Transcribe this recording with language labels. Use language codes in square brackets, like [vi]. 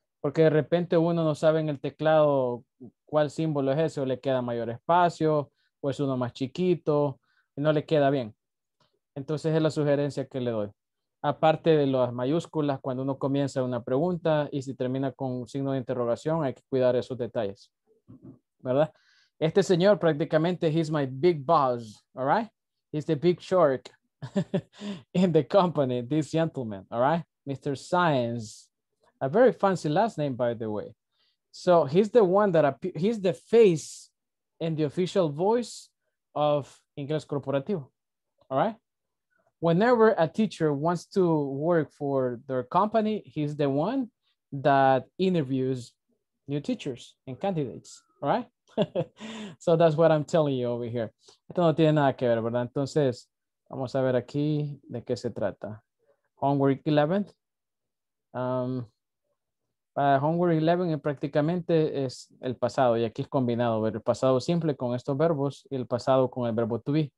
[es] Porque de repente uno no sabe en el teclado cuál símbolo es ese, o le queda mayor espacio, o es uno más chiquito, y no le queda bien. Entonces es la sugerencia que le doy. Aparte de las mayúsculas, cuando uno comienza una pregunta y si termina con un signo de interrogación, hay que cuidar esos detalles, ¿verdad? Este señor prácticamente, [en] he's my big boss, all right? He's the big shark in the company, this gentleman, all right? Mr. Science. A very fancy last name, by the way. So he's the one that he's the face and the official voice of Inglés Corporativo, all right? Whenever a teacher wants to work for their company, he's the one that interviews new teachers and candidates, all right? So that's what I'm telling you over here. [es] Esto no tiene nada que ver, ¿verdad? Entonces, vamos a ver aquí de qué se trata. Homework 11. Para homework 11 prácticamente es el pasado, y aquí es combinado, ¿verdad? El pasado simple con estos verbos y el pasado con el verbo to be.